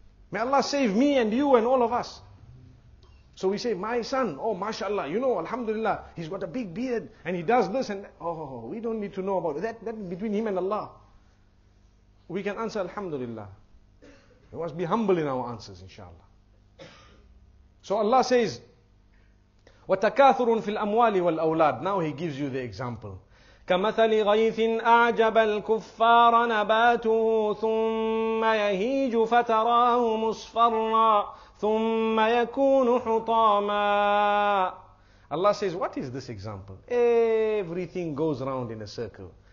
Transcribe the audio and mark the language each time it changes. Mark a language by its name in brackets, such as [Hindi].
[English] May Allah save me and you and all of us. So we say, my son, oh mashallah, you know, alhamdulillah, he's got a big beard and he does this and that. Oh, we don't need to know about that. That between him and Allah. We can answer alhamdulillah. We must be humble in our answers, inshallah. So Allah says, [Arabic] وَتَكَاثُرٌ فِي الْأَمْوَالِ وَالْأَوْلَادِ. [English] Now He gives you the example. [Arabic] كَمَثَلِ غَيْثٍ أَعْجَبَ الْكُفَّارَ نَبَاتُهُ ثُمَّ يَهِيجُ فَتَرَاهُ مُصْفَرًّا ثُمَّ يَكُونُ حُطَامًا. [English] Allah says, what is this example? Everything goes round in a circle.